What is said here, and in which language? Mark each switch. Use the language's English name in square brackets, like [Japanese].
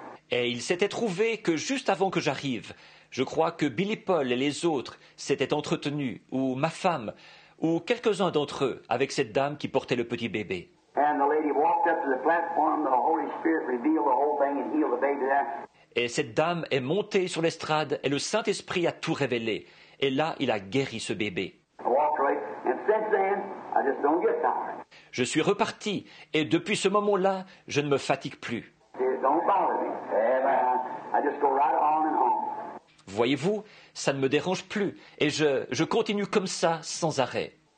[French] Et il s'était trouvé que juste avant que j'arrive, je crois que Billy Paul et les autres s'étaient entretenus, ou ma femme, ou quelques-uns d'entre eux, avec cette dame qui portait le petit bébé. [English] And the lady walked up to the platform. The Holy Spirit revealed the whole thing and healed the baby there. [French] Et cette dame est montée sur l'estrade et le Saint-Esprit a tout révélé. Et là, il a guéri ce bébé. [English] I walked away, and since then, I just don't get tired. [French] Je suis reparti et depuis ce moment-là, je ne me fatigue plus. [English] It don't bother me. I just go right on and on. [French] Voyez-vous, ça ne me dérange plus et je continue comme ça sans arrêt.